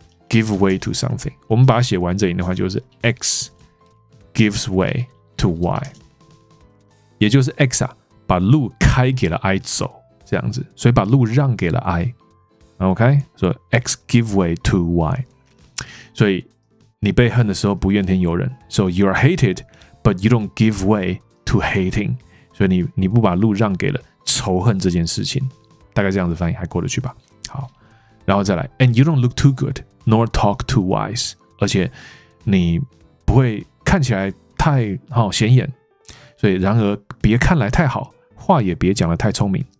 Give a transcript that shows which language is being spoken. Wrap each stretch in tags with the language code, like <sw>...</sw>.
<zh>Give way to something. 我们把它写完整的话就是 X gives way to Y. 也就是 X 啊把路开给了 I 走这样子。所以把路让给了 I. OK? 所以 X give way to Y. 所以你被恨的时候不怨天尤人。</zh> <en>So you are hated, but you don't give way to hating.</en> <zh>所以 你不把路让给了仇恨这件事情。大概这样子翻译还过得去吧。好。然后再来 And you don't look too good. Nor talk too wise，而且你不会看起来太好、哦、显眼，所以然而别看来太好，话也别讲得太聪明。</zh>